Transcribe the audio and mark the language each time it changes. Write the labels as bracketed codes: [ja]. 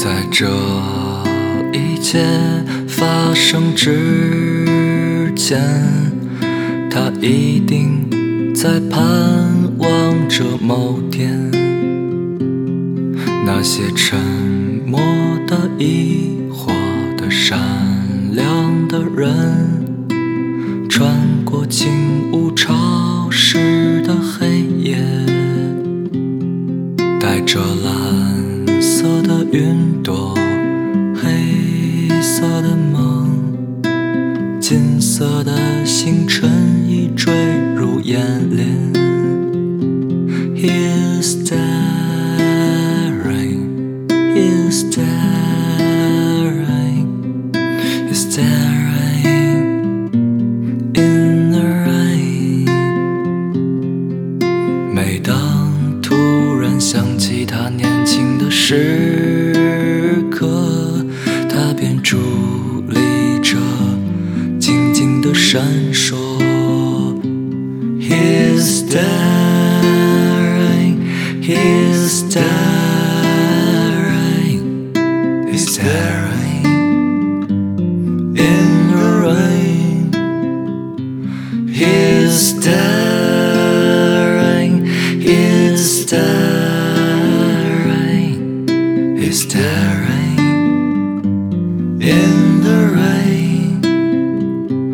[zh] 这一切发生之前，他一定在盼望着某天，那些沉默的疑惑的善良的人，穿过静物潮湿的黑夜，带着蓝色的云朵，黑色的梦，金色的星辰已坠入眼帘。 [en] He is staring, he is staring, he is staring in the rain。 [zh] 每当突然想起他年轻的时刻，他便伫立着静静的闪烁。 [en] He's staring, he's staring, he's staring in the rain. He's staring, he's staring, he's staring in the rain.